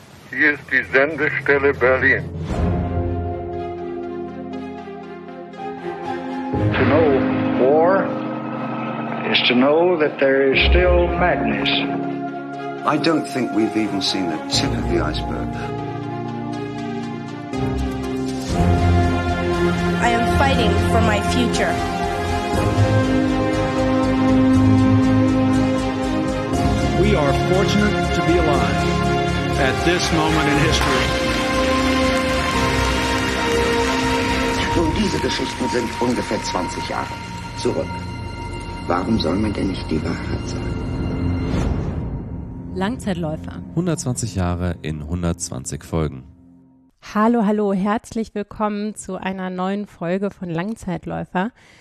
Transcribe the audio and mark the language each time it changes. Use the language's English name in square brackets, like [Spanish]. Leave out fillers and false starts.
[German] Hier ist die Sendestelle Berlin. [English] To know war is to know that there is still madness. I don't think we've even seen the tip of the iceberg. I am fighting for my future. We are fortunate to be alive at this moment in history. [German] Nun, diese Geschichten sind ungefähr 20 Jahre zurück. Warum soll man denn nicht die Wahrheit sagen? Langzeitläufer. 120 Jahre in 120 Folgen. Hallo, hallo, herzlich willkommen zu einer neuen Folge von Langzeitläufer.